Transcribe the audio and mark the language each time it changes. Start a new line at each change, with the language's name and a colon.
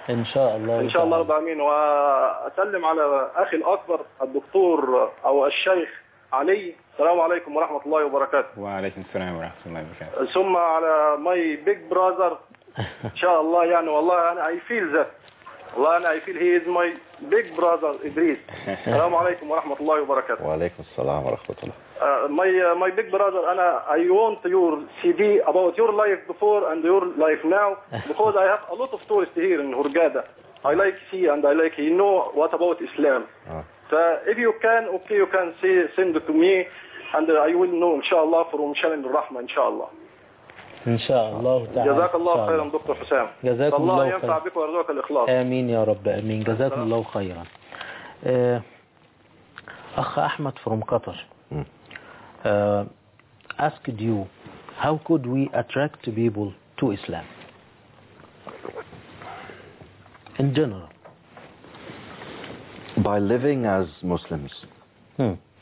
Arabic: إن شاء الله. إن شاء الله رب العالمين. وأسلم على أخي الأكبر الدكتور أو الشيخ علي. السلام عليكم ورحمة الله وبركاته. وعليكم السلام ورحمة الله وبركاته. ثم على
English: my big brother
Arabic: إن شاء الله يعني والله أنا
English: I feel that.
Arabic: والله أنا
English: I feel he is my big brother إدريس. السلام عليكم ورحمة الله وبركاته. وعليكم السلام ورحمة الله. My big brother
Arabic: أنا
English: I want your CD about your life before and your life now because I have a lot of tourists here in Hurghada. I like see and I like he know what about Islam. So if you can, okay, you can say, send it to me and I will know
Arabic: إن شاء الله
English: from Shalim al-Rahma إن شاء الله.
Arabic: إن شاء الله تعالى. جزاك الله خيرا دكتور حسام. جزاك الله خيرا. الله ينفع بك ويرزقك الإخلاص. آمين يا رب آمين. جزاك الله خيرا. أخ أحمد
English: from
Arabic: قطر.
English: Asked you, how could we attract people to Islam in general? By living as Muslims. Hmm.